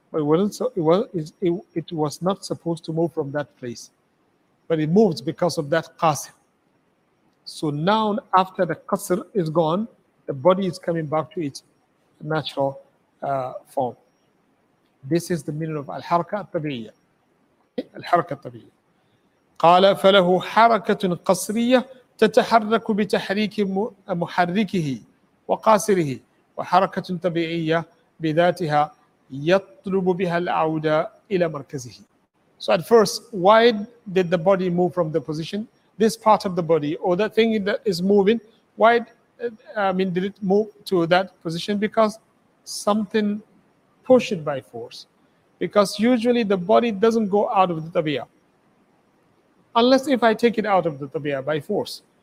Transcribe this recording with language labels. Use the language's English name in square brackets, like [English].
[English] But it was not supposed to move from that place. But it moved because of that qasir. So now after the qasir is gone, the body is coming back to its natural form. This is the meaning of al-haraka at-tabi'iyya. Al-haraka at-tabi'iyya. [Arabic] قَالَ فَلَهُ حَرَكَةٌ قَصْرِيَّةٌ تَتَحَرَّكُ بِتَحْرِيكِ مُحَرِّكِهِ وقاسره وحركة طبيعية بذاتها يطلب بها العودة إلى مركزه. [English] So at first, why did the body move from the position? This part of the body or that thing that is moving, did it move to that position? Because something pushed it by force. Because usually the body doesn't go out of the tabia. Unless if I take it out of the tabia by force.